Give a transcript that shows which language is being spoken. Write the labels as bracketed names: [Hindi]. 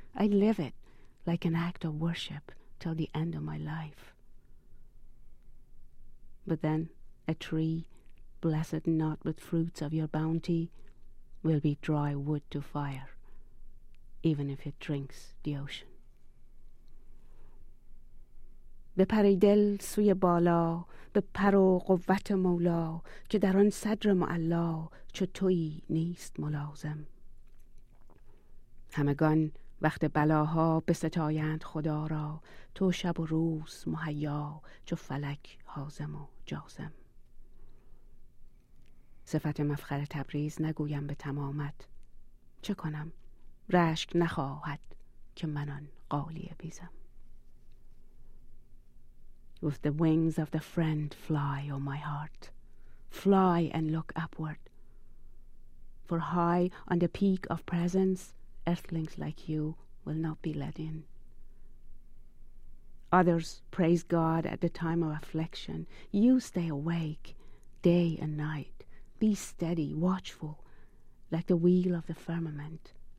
[English] I live it like an act of worship till the end of my life. But then a tree, blessed not with fruits of your bounty, will be dry wood to fire, even if it drinks the ocean. [Persian] به پر دل سوی بالا، به پر و قوت مولا که در آن صدر معلا چطوی نیست ملازم همگان وقت بلاها بستایند خدا را تو شب و روز مهیا چو فلک حازم و جازم صفت مفخر تبریز نگویم به تمامت چه کنم رشک نخواهد که من آن قالیه بیزم [English] With the wings of the friend, fly, O my heart. Fly and look upward. For high on the peak of presence, earthlings like you will not be let in. Others praise God at the time of affliction. You stay awake day and night. Be steady, watchful, like the wheel of the firmament.